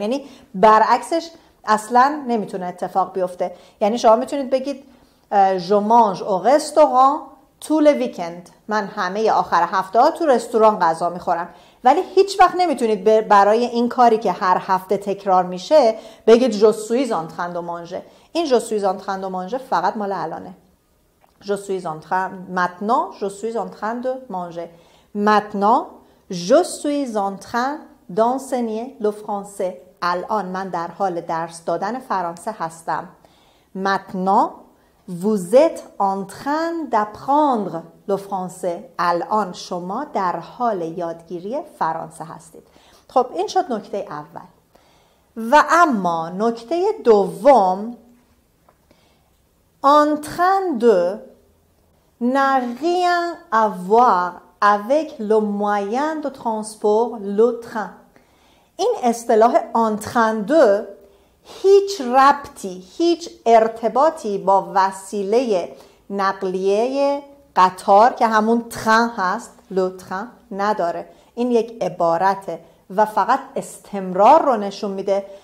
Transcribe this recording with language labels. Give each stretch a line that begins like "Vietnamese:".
Persian: یعنی برعکسش اصلا نمیتونه اتفاق بیفته. یعنی شما میتونید بگید
French: je mange au restaurant tout le weekend،
Persian: من همه آخر هفته ها تو رستوران غذا میخورم، ولی هیچ وقت نمیتونید برای این کاری که هر هفته تکرار میشه بگید
French: je suis en train de manger.
Persian: این
French: je suis en train de manger
Persian: فقط مال الانه.
French: Je suis en train maintenant, je suis en train de manger. Maintenant, je suis en train d'enseigner le français.
Persian: الان من در حال درس دادن فرانسه هستم.
French: Maintenant, vous êtes en train d'apprendre le français.
Persian: الان شما در حال یادگیری فرانسه هستید. خب این شد نکته اول. و اما نکته دوم،
French: en train de n'a rien à voir avec le moyen de transport, le train.
Persian: این اصطلاح
French: en train de
Persian: هیچ ربطی، هیچ ارتباطی با وسیله نقلیه قطار که همون ترن هست، لو ترن، نداره. این یک عبارته و فقط استمرار رو نشون میده.